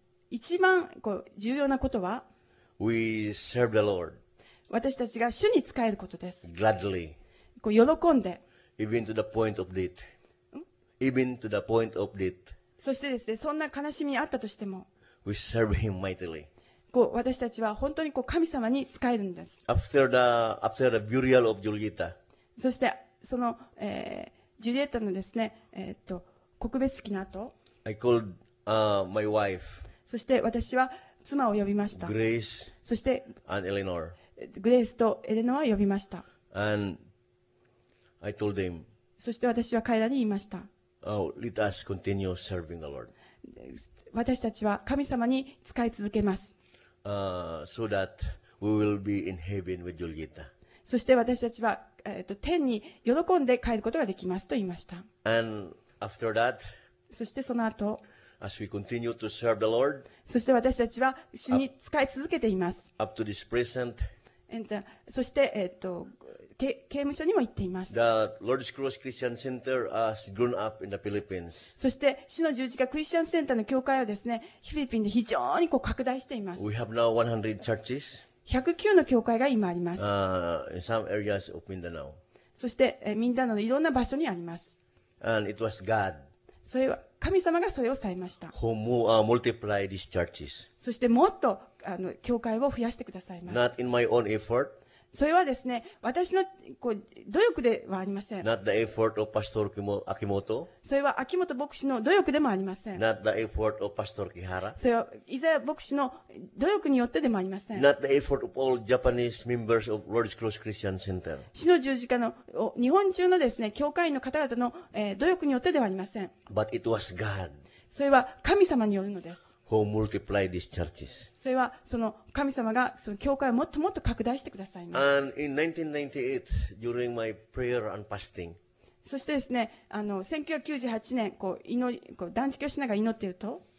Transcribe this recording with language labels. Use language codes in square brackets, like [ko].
[ja] 一番こう重要なことは [en] We serve the Lord. [ja] 私たちが主に仕えることです。 [en] Gladly. [ja] こう喜んで。 [en] Even to the point of death. Even to the point of death. [ja] そしてですね、そんな悲しみにあったとしても [en] We serve him mightily. [ja] こう私たちは本当にこう神様に仕えるんです。 [en] After the burial of Julieta. [ja] そしてその、ジュリエットのですね、告別式の後 [en] I called my wife. [ja] そして私は妻を呼びました。 [en] Grace [ja] そして、 [en] and Eleanor. [ja] グレースとエレノアを呼びました。 [en] And I told them, [ja] そして私は彼らに言いました。 [en] Oh, let us continue serving the Lord. [ja] 私たちは神様に仕え続けます。 [en] So that we will be in heaven with Julieta. [ja] そして私たちは、天に喜んで帰ることができますと言いました。 [en] And after that, [ja] そしてその後、 [en] As we continue to serve the Lord, [ja] そして私たちは主に仕え続けています。 [en] Up to this present, [ja] そして、刑務所にも行っています。 [en] The Lord's Cross Christian Center has grown up in the Philippines. [ja] そして主の十字架クリスチャンセンターの教会はですね、フィリピンで非常にこう拡大しています。 [en] We have now 100 churches. [ja] 109の教会が今あります。 [en] In some areas of Mindanao. [ja] そして、ミンダナのいろんな場所にあります。 [en] And it was God. [ja] それは神様がそれをされました。 [en] Multiply these churches. [ja] そしてもっと教会を増やしてくださいます。 [en] Not in my own effort. [ja] それはですね、私のこう努力ではありません。 [en] Not the effort of Pastor Akimoto. [ja] それは秋元牧師の努力でもありません。 [en] Not the effort of Pastor Kihara. [ja] それは伊沢牧師の努力によってでもありません。 [en] Not the effort of all Japanese members of Lord's Cross Christian Center. [ja] 死の十字架の日本中のですね、教会員の方々の、努力によってではありません。 [en] But it was God. [ja] それは神様によるのです。 [en] Who multiply these churches. [ja] それはその神様がその教会をもっともっと拡大してくださいます。 [en] And in 1998, during my prayer and fasting, [ja] そしてですね、1998年こう祈りこう断食をしながら祈っていると、